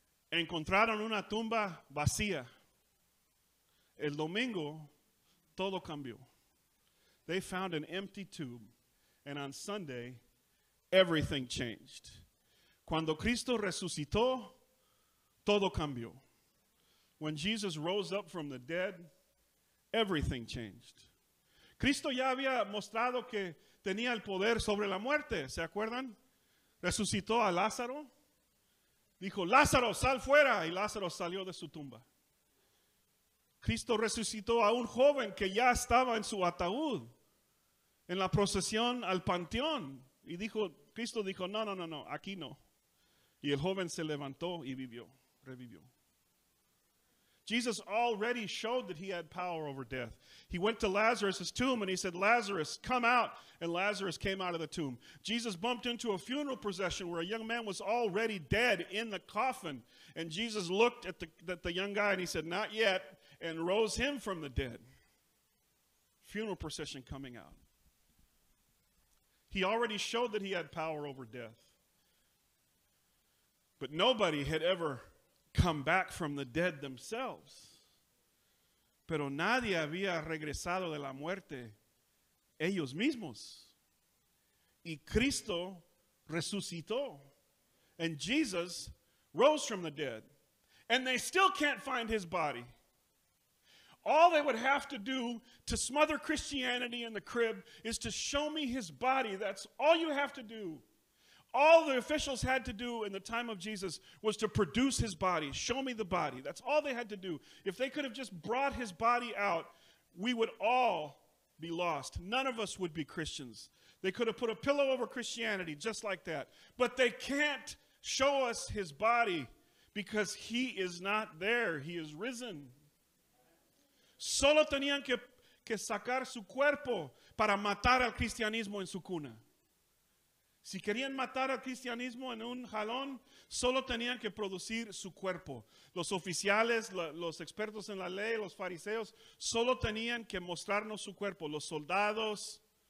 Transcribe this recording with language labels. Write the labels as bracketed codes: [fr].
[es] Encontraron una tumba vacía. El domingo, todo cambió. [en] They found an empty tomb. And on Sunday, everything changed. [es] Cuando Cristo resucitó, todo cambió. [en] When Jesus rose up from the dead, everything changed. [es] Cristo ya había mostrado que tenía el poder sobre la muerte. ¿Se acuerdan? Resucitó a Lázaro. Dijo, Lázaro, sal fuera. Y Lázaro salió de su tumba. Cristo resucitó a un joven que ya estaba en su ataúd. En la procesión al panteón. Y dijo, Cristo dijo, no, aquí no. Y el joven se levantó y revivió. [en] Jesus already showed that he had power over death. He went to Lazarus's tomb and he said, Lazarus, come out. And Lazarus came out of the tomb. Jesus bumped into a funeral procession where a young man was already dead in the coffin. And Jesus looked at the young guy and he said, not yet. And rose him from the dead. Funeral procession coming out. He already showed that he had power over death. But nobody had ever come back from the dead themselves. [es] Pero nadie había regresado de la muerte ellos mismos. Y Cristo resucitó. [en] And Jesus rose from the dead. And they still can't find his body. All they would have to do to smother Christianity in the crib is to show me his body. That's all you have to do. All the officials had to do in the time of Jesus was to produce his body. Show me the body. That's all they had to do. If they could have just brought his body out, we would all be lost. None of us would be Christians. They could have put a pillow over Christianity just like that. But they can't show us his body because he is not there. He is risen. [es] Solo tenían que sacar su cuerpo para matar al cristianismo en su cuna. Si querían matar al cristianismo en un jalón, solo tenían que producir su cuerpo. Los oficiales, los expertos en la ley, los fariseos, solo tenían que mostrarnos su cuerpo. Los soldados,